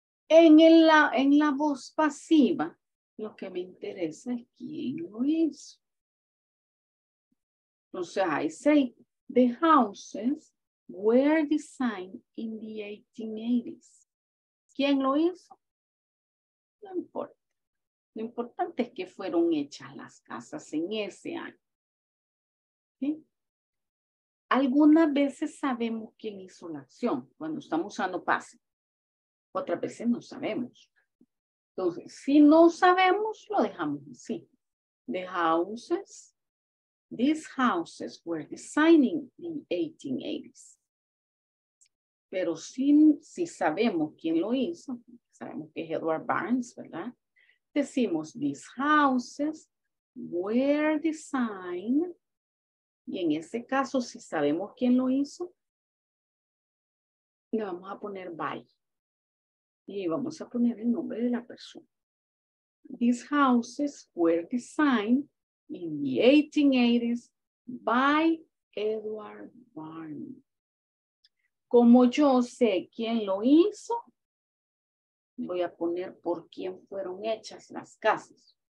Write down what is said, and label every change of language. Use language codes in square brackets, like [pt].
[es] En la voz pasiva, lo que me interesa es quién lo hizo. [en] Entonces, I say, the houses were designed in the 1880s. [es] ¿Quién lo hizo? No importa. Lo importante es que fueron hechas las casas en ese año. ¿Sí? Algunas veces sabemos quién hizo la acción cuando estamos usando pase. Otras veces no sabemos. Entonces, si no sabemos, lo dejamos así. [en] The houses, these houses were designed in the 1880s. [es] Pero si sabemos quién lo hizo, sabemos que es Edward Barnes, ¿verdad? Decimos, [en] these houses were designed, [es] y en ese caso, si sabemos quién lo hizo, le vamos a poner by, y vamos a poner el nombre de la persona. [en] These houses were designed in the 1880s by Edward Barnes. [es] Como yo sé quién lo hizo, voy a poner por quién fueron hechas las casas.